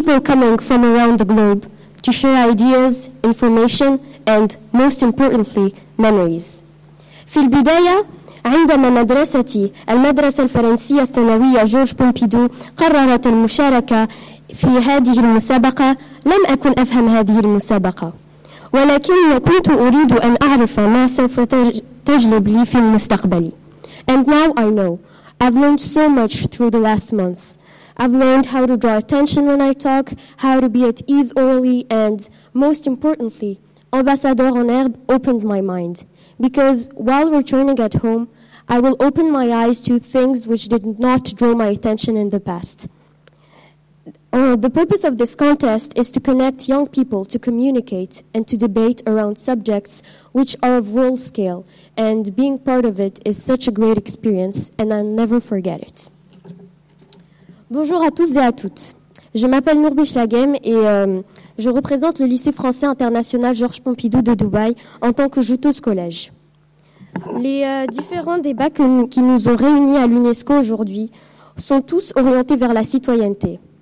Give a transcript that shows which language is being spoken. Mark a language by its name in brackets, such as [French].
[English] coming from around the globe to share ideas, information and most importantly memories [Arabic] في البداية عندما مدرستي المدرسة الفرنسية الثانوية جورج بومبيدو قررت المشاركة في هذه المسابقة لم أكن أفهم هذه المسابقة ولكن كنت أريد أن أعرف ما سوف تجلب لي في المستقبل [English] And now I know. I've learned so much through the last months. I've learned how to draw attention when I talk, how to be at ease orally, and most importantly, Ambassador en Herbe opened my mind. Because while returning at home, I will open my eyes to things which did not draw my attention in the past. The purpose of this contest is to connect young people to communicate and to debate around subjects which are of world scale, and being part of it is such a great experience, and I'll never forget it. [French] Bonjour à tous et à toutes. Je m'appelle Nour Bishlaghem et je représente le lycée français international Georges Pompidou de Dubaï en tant que joueuse collège. Les différents débats qui nous ont réunis à l'UNESCO aujourd'hui sont tous orientés vers la citoyenneté.